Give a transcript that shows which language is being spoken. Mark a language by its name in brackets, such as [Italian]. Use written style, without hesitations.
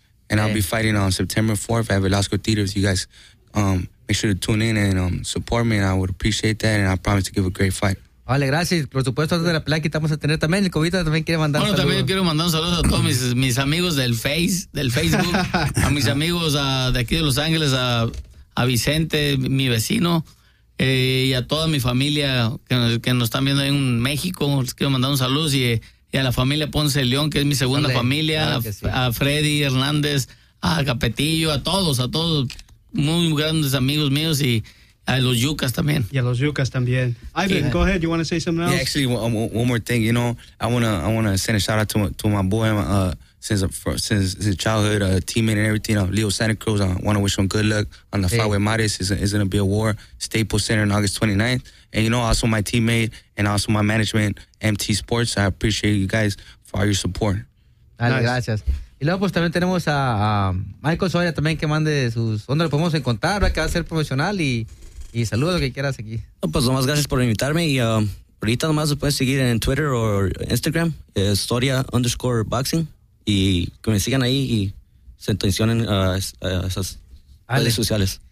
[English] And I'll be fighting on September 4th at Velasco Theaters. You guys make sure to tune in and support me, and I would appreciate that, and I promise to give a great fight. [Spanish] Vale, gracias. Por supuesto, antes de la pelea que estamos a tener también, el Cobita también quiere mandar saludos. Bueno, también quiero mandar un saludo a todos mis amigos del Facebook, a mis amigos de aquí de Los Ángeles, a Vicente, mi vecino. Y a toda mi familia que nos están viendo ahí en México, les quiero mandar un saludo, y a la familia Ponce de León, que es mi segunda familia, a Freddy Hernández, a Capetillo, a todos, muy grandes amigos míos, y a los Yucas también. Y a los Yucas también. [English] Ivan, go ahead, you want to say something else? Yeah, actually, one more thing, you know, I want to send a shout out to my boy, since his childhood, a teammate and everything, Leo Santa Cruz. I want to wish him good luck on the fight with Mares. It's going to be a war, Staples Center on August 29th. And, you know, also my teammate and also my management, MT Sports. I appreciate you guys for all your support. [Spanish] Dale, nice. Gracias. Y luego, pues, también tenemos a Michael Soya también, que mande sus... ¿Dónde lo podemos encontrar? ¿Verdad? Que va a ser profesional, y saludos, lo que quieras aquí. No, pues, nomás gracias por invitarme, y ahorita nomás lo puedes seguir en Twitter o Instagram, Historia_Boxing. Y que me sigan ahí y se intencionen a esas redes sociales.